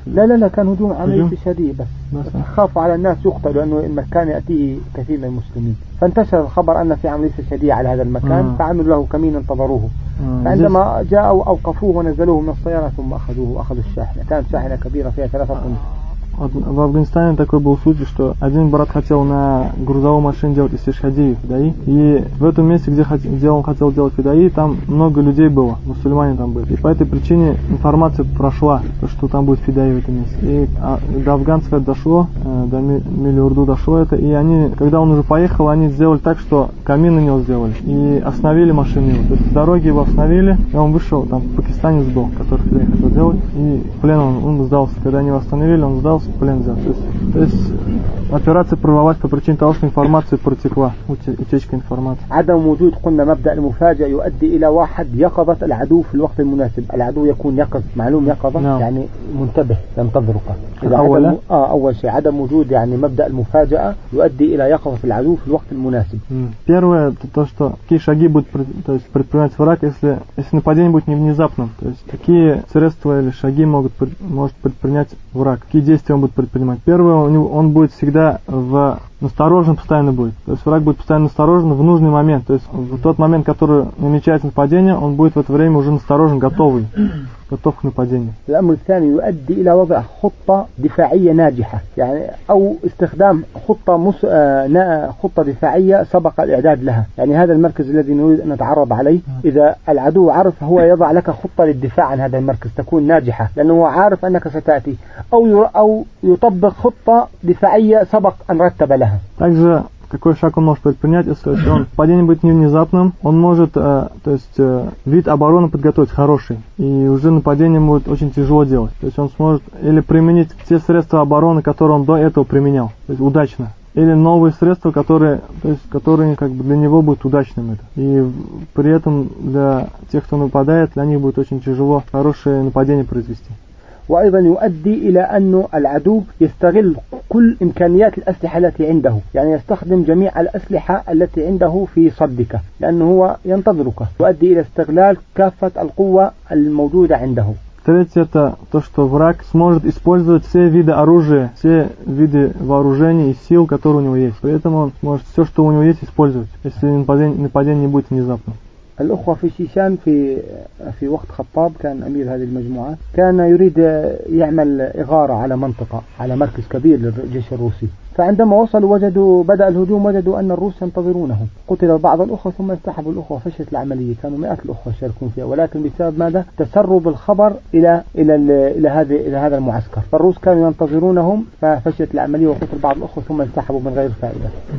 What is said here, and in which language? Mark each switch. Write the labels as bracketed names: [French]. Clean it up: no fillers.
[Arabic] لا لا لا كان هجوم عملية استشهادية بس خافوا على الناس يقتلوا لأنه المكان يأتيه كثير من المسلمين فانتشر الخبر أن في عملية استشهادية على هذا المكان فعملوا له كمين انتظروه فعندما جاءوا أوقفوه ونزلوه من السيارة ثم أخذوه وأخذوا الشاحنة كانت شاحنة كبيرة فيها ثلاثة قنوات [Russian] В Афганистане такой был случай, что один брат хотел на грузовой машине делать истишхадии, фидаи. И в этом месте, где он хотел делать фидаи, там много людей было, мусульмане там были. И по этой причине информация прошла, что там будет фидаи в этом месте. И до афганцев это дошло, до Милиурду дошло это. И они, когда он уже поехал, они сделали так, что камин на него сделали. И остановили машину. То есть дороги его остановили, и он вышел, там пакистанец был, который фидаи хотел делать. И плен он сдался. Когда они его остановили, он сдался. Блин, да. То есть операция провалилась по причине того, что информация протекла, утечка информации. [Arabic] عدم وجود قلنا مبدأ المفاجأة يؤدي إلى واحد يقظة العدو في الوقت المناسب. العدو يكون يقظ معلوم يقظة يعني منتبه ينتظرك. أول شيء عدم وجود يعني مبدأ المفاجأة يؤدي إلى يقظة العدو في الوقت المناسب. [Russian] Первое то что какие шаги будут то есть предпринимать враг если нападение будет не внезапным. То есть какие средства или шаги может предпринять враг. Действия он будет предпринимать. Первое, он будет всегда насторожен постоянно будет. То есть враг будет постоянно насторожен в нужный момент. То есть в тот момент, который намечается нападение, он будет в это время уже насторожен, готовый. Готов к нападению. [Arabic] الأمر الثاني يؤدي إلى وضع خطة دفاعية ناجحة. يعني أو استخدام خطة دفاعية سبق الإعداد لها. يعني هذا المركز الذي نريد أن نتعرض عليه. إذا العدو عرف هو يضع لك خطة للدفاع عن هذا المركز تكون ناجحة. لأنه عارف أنك ستأتي. أو يطبق خطة دفاعية سبق أن رتب لها. [Russian] Какой шаг он может предпринять, если он падение будет не внезапным, он может вид обороны подготовить хороший, и уже нападение будет очень тяжело делать. То есть он сможет или применить те средства обороны, которые он до этого применял, то есть удачно. Или новые средства, которые как бы для него будут удачными. И при этом для тех, кто нападает, для них будет очень тяжело хорошее нападение произвести. [Arabic] وأيضا يؤدي إلى أن العدو يستغل كل إمكانيات الأسلحة التي عنده يعني يستخدم جميع الأسلحة التي عنده في صدك لأنه هو ينتظرك يؤدي إلى استغلال كافة القوة الموجودة عنده [Russian] Третье – это то, что враг сможет использовать все виды оружия, все виды вооружений и сил, которые у него есть. При этом он может все, что у него есть, использовать, если нападение не будет внезапно. [Arabic] الأخوة في شيشان في وقت خطاب كان أمير هذه المجموعات كان يريد يعمل إغارة على منطقة على مركز كبير للجيش الروسي فعندما وصلوا وجدوا بدأ الهجوم وجدوا أن الروس ينتظرونهم قتل بعض الأخوة ثم انسحبوا الأخوة فشلت العملية كانوا مئات الأخوة يشاركون فيها ولكن بسبب ماذا تسرب الخبر إلى هذا المعسكر فالروس كانوا ينتظرونهم ففشلت العملية وقتل بعض الأخوة ثم انسحبوا من غير فائدة